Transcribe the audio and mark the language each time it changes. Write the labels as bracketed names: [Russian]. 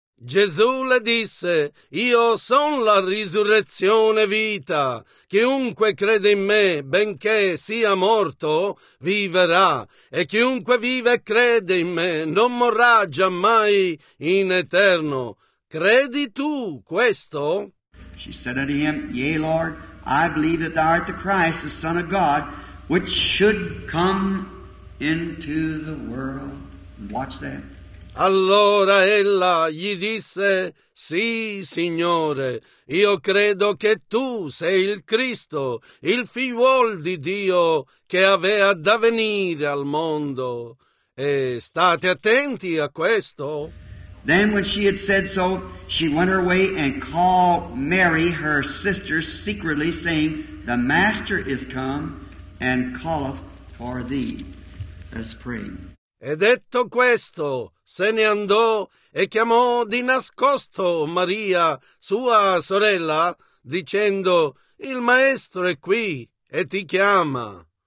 [Italian] Gesù le disse, Io son la risurrezione vita. Chiunque crede in me, benché sia morto, viverà. E chiunque vive e crede in me, non morrà giammai in eterno. Credi tu questo? [English] She said unto him, Yea, Lord, I believe that thou art the Christ, the Son of God, which should come into the world. Watch that. [Italian] Allora ella gli disse, Sì, Signore, io credo che tu sei il Cristo, il figliuol di Dio che avea da venire al mondo. E state attenti a questo. [English] Then when she had said so, she went her way and called Mary, her sister, secretly, saying, The Master is come and calleth for thee. Let's pray. [Italian] E detto questo, se ne andò e chiamò di nascosto Maria, sua sorella, dicendo, Il Maestro è qui e ti chiama.